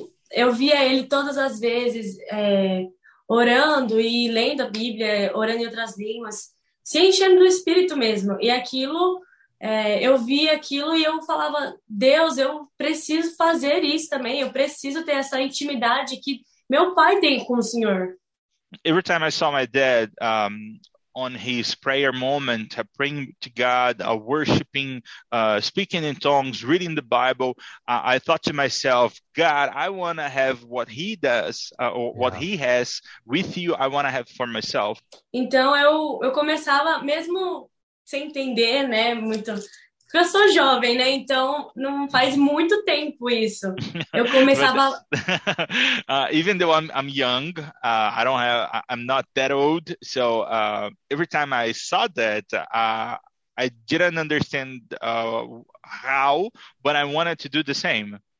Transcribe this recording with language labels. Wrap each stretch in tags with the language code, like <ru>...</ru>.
<pt>eu via ele todas as vezes orando e lendo a Bíblia, orando em outras línguas, se enchendo do Espírito mesmo. E aquilo, eu vi aquilo e eu falava: Deus, eu preciso fazer isso também, eu preciso ter essa intimidade que meu pai tem com o Senhor.</pt> <en>Every time I saw my dad on his prayer moment, praying to God, worshiping, speaking in tongues, reading the Bible, I thought to myself, God, I want to have what he does, or what he has with you, I want to have for myself.</en> <pt>Então eu começava mesmo sem entender, né, muito, porque eu sou jovem, né? Então não faz muito tempo isso. Eu</pt> <en>But</en> <pt>começava.</pt> <en>even though I'm young, I don't have I'm not that old. So every time I saw that, I didn't understand how, but I wanted to do the same.</en>